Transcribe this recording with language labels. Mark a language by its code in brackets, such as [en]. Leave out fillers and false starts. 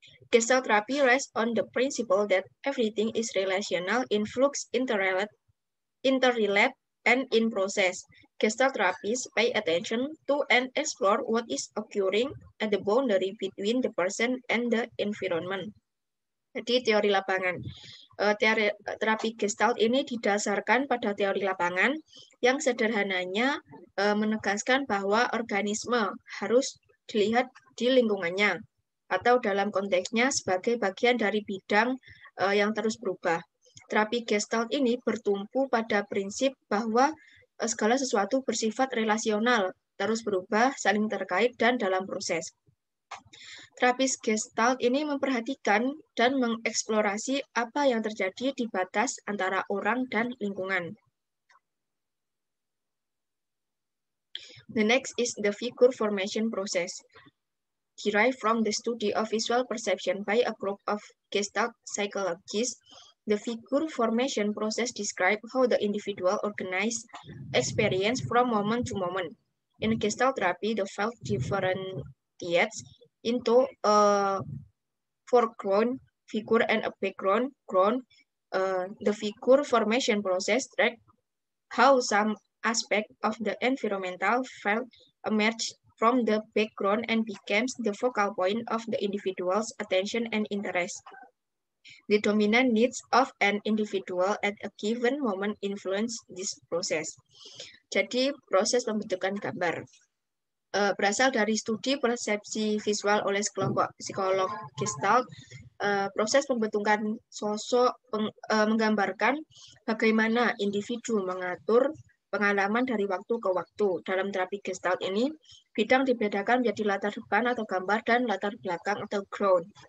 [en] Gestalt therapy rests on the principle that everything is relational, in flux, interrelate, and in process. Gestalt therapists pay attention to and explore what is occurring at the boundary between the person and the environment. [id] Jadi teori lapangan. Teori terapi Gestalt ini didasarkan pada teori lapangan yang sederhananya menegaskan bahwa organisme harus dilihat di lingkungannya atau dalam konteksnya sebagai bagian dari bidang yang terus berubah. Terapi Gestalt ini bertumpu pada prinsip bahwa segala sesuatu bersifat relasional, terus berubah, saling terkait, dan dalam proses. Terapis Gestalt ini memperhatikan dan mengeksplorasi apa yang terjadi di batas antara orang dan lingkungan. [en] The next is the figure formation process, derived from the study of visual perception by a group of Gestalt psychologists. The figure formation process describes how the individual organizes experience from moment to moment. In Gestalt therapy, the field differentiates into a foreground figure and a background ground. The figure formation process tracks how some aspect of the environmental field emerge from the background and becomes the focal point of the individual's attention and interest. The dominant needs of an individual at a given moment influence this process. [id] Jadi, proses pembentukan gambar berasal dari studi persepsi visual oleh sekelompok psikolog Gestalt. Proses pembentukan sosok menggambarkan bagaimana individu mengatur pengalaman dari waktu ke waktu. Dalam terapi Gestalt ini, bidang dibedakan menjadi latar depan atau gambar dan latar belakang atau ground.